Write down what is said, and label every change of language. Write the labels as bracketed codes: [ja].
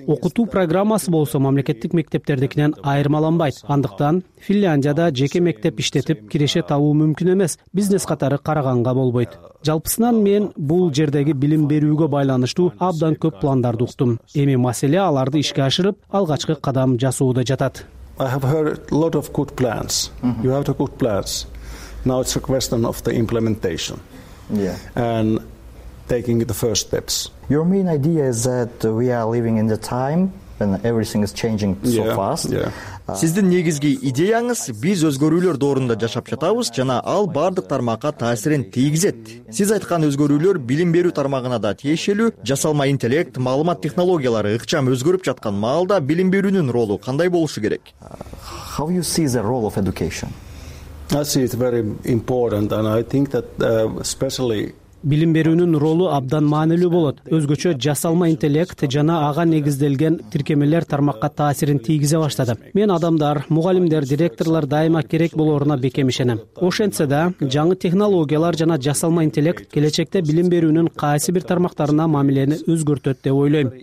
[ky] Окутуу программасы болсо мамлекеттик мектептердикинен айырмаланбайт. Андыктан Финляндияда жеке мектеп иштетип киреше табуу мүмкүн эмес, бизнес катары караганга болбойт. Жалпысынан мен бул жердеги билим берүүгө байланыштуу абдан көп пландарды уктум. Эми маселе аларды ишке ашырып, алгачкы кадам жасоодо жатат. [en] I have heard a lot of good plans. You have good plans. Now it's a question of the implementation. And taking the first steps. Your main idea is that we are living in the time And everything is changing so fast. [ky] Сиздин негизги идеяңыз биз өзгөрүүлөр доорунда жашап жатабыз жана ал бардык тармакка таасирин тийгизет. Сиз айткан өзгөрүүлөр билим берүү тармагына да тиешелүү, жасалма интеллект, маалымат технологиялары ыкчам өзгөрүп жаткан маалда билим берүүнүн ролу кандай болушу керек? [en] How you see the role of education? I see it very important and I think that especially [ky] билим берүүнүн ролу абдан маанилүү болот. Өзгөчө жасалма интеллект жана ага негизделген тиркемелер тармакка таасирин тийгизе баштады. Мен адамдар, мугалимдер, директорлор дайыма керек болоруна бекем ишенем. Ошентсе да, жаңы технологиялар жана жасалма интеллект келечекте билим берүүнүн кайсы бир тармактарына мамилени өзгөртөт деп ойлойм.